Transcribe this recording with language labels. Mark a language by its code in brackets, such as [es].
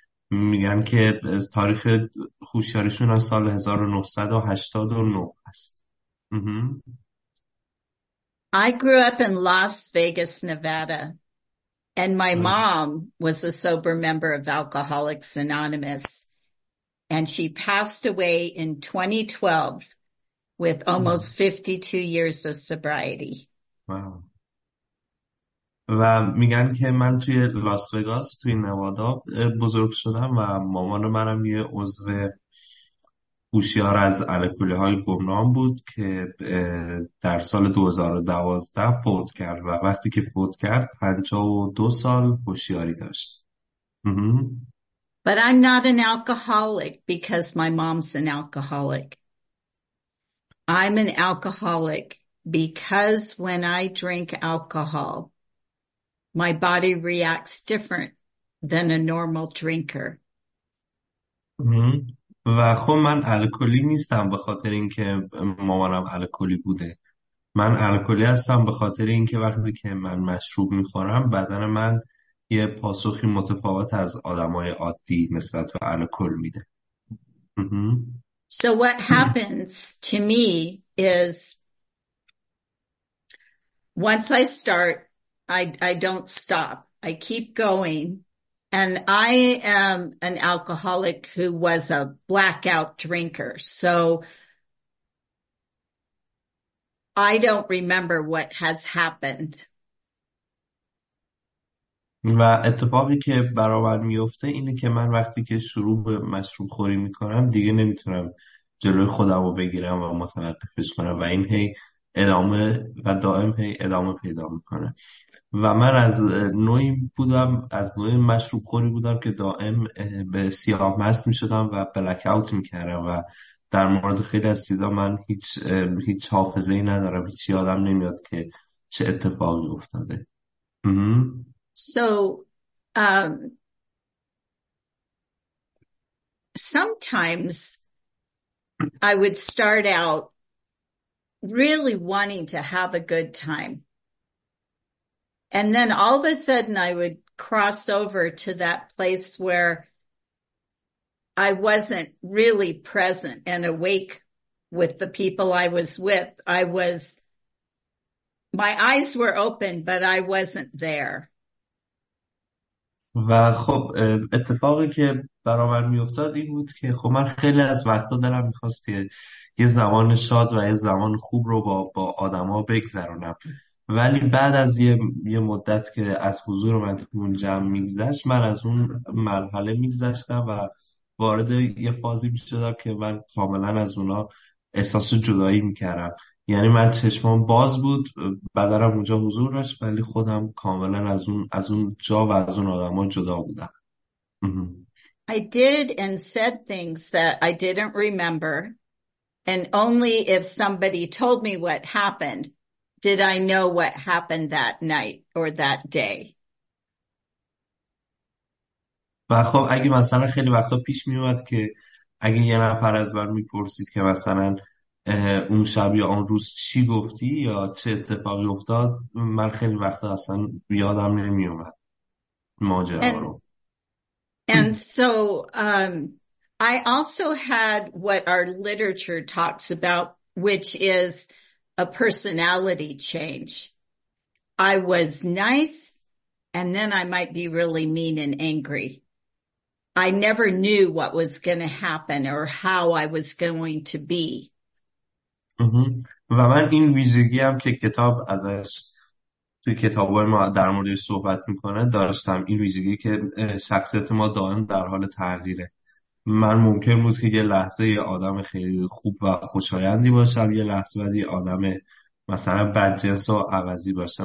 [fa] میگن که از تاریخ هوشیاریشون هم سال 1989 است. [en] I grew up in Las Vegas, Nevada, and my mom was a sober member of Alcoholics Anonymous, and she passed away in 2012 with almost 52 years of sobriety. [fa] و میگن که من توی لاس وگاس توی نوادا بزرگ شدم و مامان منم یه عضو هوشیار از الکلی های گمنام بود که در سال 2012 فوت کرد و وقتی که فوت کرد 52 سال هوشیاری داشت. [en] But I'm not an alcoholic because my mom's an alcoholic. I'm an alcoholic because when I drink alcohol, my body reacts different than a normal drinker. [fa] و خب من الکلی نیستم به خاطر اینکه مامانم الکلی بوده. من الکلی هستم به خاطر اینکه وقتی که من مشروب میخورم بدن من یه پاسخی متفاوت از آدمای عادی نسبت به الکل میده. [en] So what happens to me is once I start, I don't stop. I keep going. And I am an alcoholic who was a blackout drinker. So I don't remember what has happened. [fa] و اتفاقی که برابر میفته اینه که من وقتی که شروع به مشروب خوری میکنم دیگه نمیتونم جلوی خودم رو بگیرم و متوقفش کنم و این هی ادامه و دائم هی ادامه پیدا میکنه و من از نوعی مشروب خوری بودم که دائم به سیاه مست میشدم و بلک اوت میکردم و در مورد خیلی از چیزا من هیچ حافظه ای ندارم، هیچ یادم نمیاد که چه اتفاقی افتاده. [en] So sometimes I would start out really wanting to have a good time. And then all of a sudden I would cross over to that place where I wasn't really present and awake with the people I was with. My eyes were open, but I wasn't there. [fa] و خب اتفاقی که برامر می افتاد این بود که خب من خیلی از وقتا دلم می خواست که یه زمان شاد و یه زمان خوب رو با آدم ها بگذرونم، ولی بعد از یه مدت که از حضور من اون جمع می گذشت من از اون مرحله می گذشتم و وارد یه فازی می شدم که من کاملا از اونا احساس جدایی می کردم. یعنی من چشمان باز بود، بدنم اونجا حضور داشت، ولی خودم کاملا از اون جا و از اون آدم ها جدا بودم. [en] I did and said things that I didn't remember, and only if somebody told me what happened did I know what happened that night or that day. [fa] و خب اگه مثلا خیلی وقتا پیش می اومد که اگه یه نفر از من میپرسید که مثلا اون شب یا اون روز چی گفتی یا چه اتفاقی افتاد، من خیلی وقتا اصلا یادم نمی اومد ماجرا رو. [en] And so I also had what our literature talks about which is a personality change. I was nice, and then I might be really mean and angry. I never knew what was going to happen or how I was going to be. [fa] و من این ویژگی هم که کتاب ازش توی کتاب های ما در مورد صحبت میکنه داشتم، این ویژگی که شخصیت ما دائم در حال تغییره. من ممکن بود که یه لحظه یه آدم خیلی خوب و خوشایندی باشم، یه لحظه بعد یه آدم مثلا بدجنس و عوضی باشم.